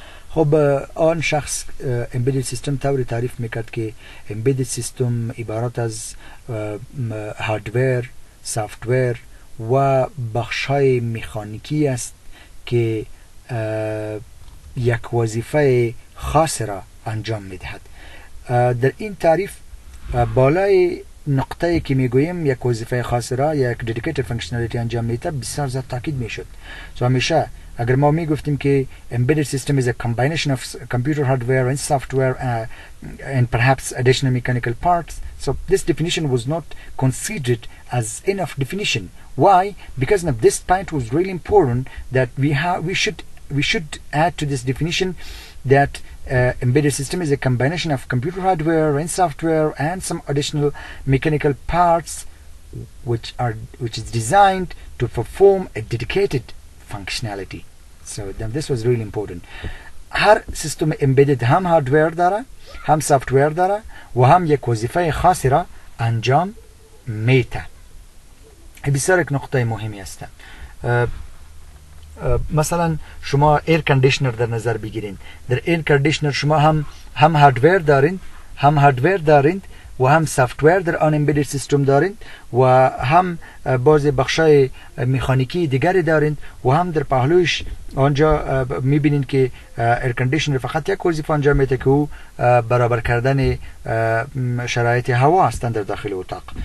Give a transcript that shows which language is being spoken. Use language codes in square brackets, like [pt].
[fa] خب آن شخص امبیدد سیستم طوری تعریف میکرد که امبیدد سیستم عبارت از هاردویر، سافتویر و بخشای میخانیکی است که یک وظیفه خاص را انجام میدهد. در این تعریف بالای نقطه ای که میگویم یک وظیفه خاص را یک [en] dedicated functionality [fa] انجام میدهد بسیار زیاد تاکید میشد. سو همیشه اگر ما میگفتیم که [en] embedded system is a combination of computer hardware and software and perhaps additional mechanical parts, so this definition was not considered as enough definition. Why? Because now this point was really important that we should add to this definition that embedded system is a combination of computer hardware and software and some additional mechanical parts which is designed to perform a dedicated functionality. So then this was really important. [fa] هر سیستم امبیدد هم هاردویر داره هم سافتویر داره و هم یک وظیفه خاصی را انجام میده. بسیار یک نقطه مهمی است. مثلا شما ایر کندیشنر در نظر بگیرین. در ایر کندیشنر شما هم هاردویر دارین، هم هاردویر دارین و هم سافتویر در آن امبیدد سیستم دارین و هم بعضی بخشای میخانیکی دیگری دارین و هم در پهلویش آنجا میبینین که ایر کندیشنر فقط یک وظیفه انجام میده که او برابر کردن شرایط هوا است در داخل اتاق.